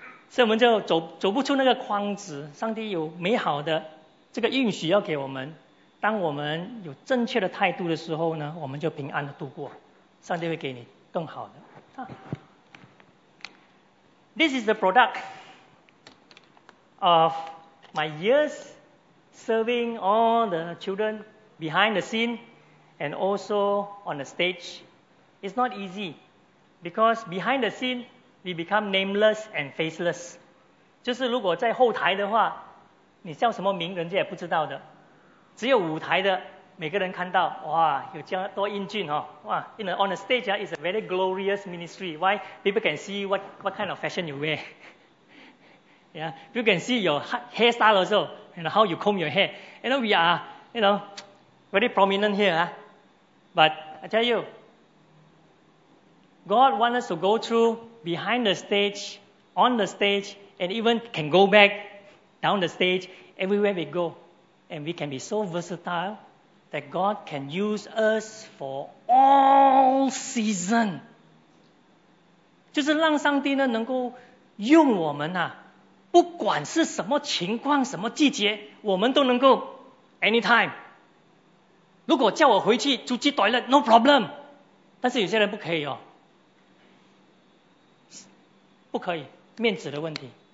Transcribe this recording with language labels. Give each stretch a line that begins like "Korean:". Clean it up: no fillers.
Chinese: 所以我们就走不出那个框子，上帝有美好的这个应许要给我们。当我们有正确的态度的时候呢，我们就平安的度过，上帝会给你更好的。
English: This is the product of my years serving all the children behind the scene and also on the stage. It's not easy because behind the scene we become nameless and faceless.
Chinese: 就是如果在后台的话，你叫什么名人家也不知道的。只有舞台的每个人看到，哇，有这样多英俊哦，哇 ！
English: In the, on the stage, is a very glorious ministry. Why? People can see what kind of fashion you wear. Yeah, people can see your hairstyle also, and how you comb your hair. You know, we are, you know, very prominent here. Huh? But I tell you, God wants us to go through behind the stage, on the stage, and even can go back down the stage everywhere we go. And we can be so versatile that God can use us for all season.
Chinese: 就是让上帝呢能够用我们啊，不管是什么情况什么季节我们都能够 anytime。如果叫我回去出去
English: toilet no problem，
Chinese: 但是有些人不可以哦，不可以，面子的问题。